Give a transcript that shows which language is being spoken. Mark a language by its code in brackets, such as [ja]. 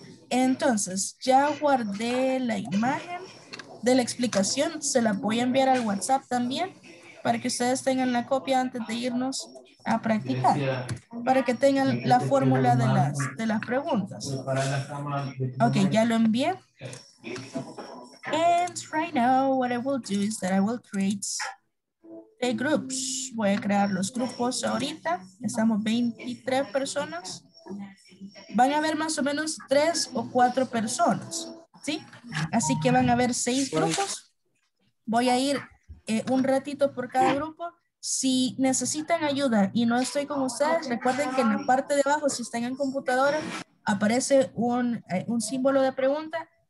[es] Entonces, ya guardé la imagen de la explicación. Se la voy a enviar al WhatsApp también para que ustedes tengan la copia antes de irnos a practicar, para que tengan la fórmula de las preguntas. Ok, ya lo envié. [en] And right now, what I will do is that I will create the groups. [es] Voy a crear los grupos ahorita. Estamos 23 personas. Van a haber más o menos 3 o 4 personas, ¿sí? Así que van a haber 6 grupos. Voy a ir un ratito por cada grupo. Si necesitan ayuda y no estoy con ustedes, recuerden que en la parte de abajo, si están en computadora, aparece un símbolo de pregunta.